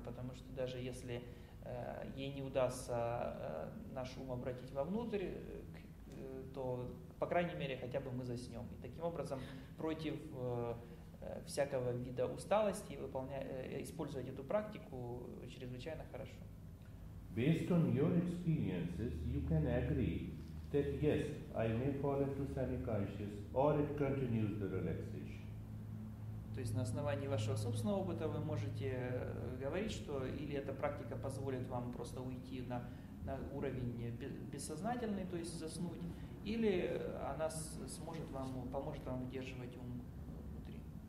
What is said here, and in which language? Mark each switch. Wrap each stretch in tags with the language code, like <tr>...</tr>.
<ru>Потому что даже если ей не удастся наш ум обратить вовнутрь, то по крайней мере, хотя бы мы заснем. И таким образом, против всякого вида усталости, использовать эту практику чрезвычайно хорошо.</ru> <en>Based on your experiences, you can agree that yes, I may fall into semi-conscious, or it continues the relaxation.</en> <ru>То есть на основании вашего собственного опыта вы можете говорить, что или эта практика позволит вам просто уйти на уровень бессознательный, то есть заснуть, или она сможет вам поможет вам удерживать ум внутри.</ru>